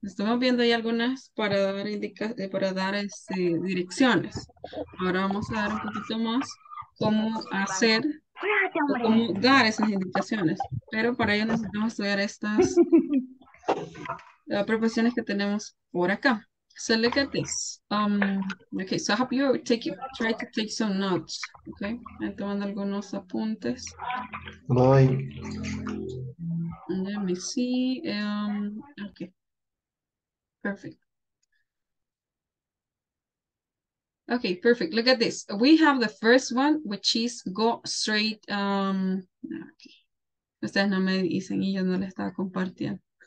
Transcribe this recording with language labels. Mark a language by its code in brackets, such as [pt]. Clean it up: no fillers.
[es] Estamos viendo ahí algunas para dar direcciones. Ahora vamos a dar un poquito más cómo hacer. Cómo dar esas indicaciones, pero para ello necesitamos estudiar estas preposiciones que tenemos por acá. [en] So look at this. Okay, so I hope you try to take some notes. [es] Okay, I'm tomando algunos apuntes. Voy. [en] Let me see. Okay. Perfect. Okay, perfect. Look at this. We have the first one, which is go straight. Okay. [es] Ustedes no me dicen y yo no le estaba compartiendo.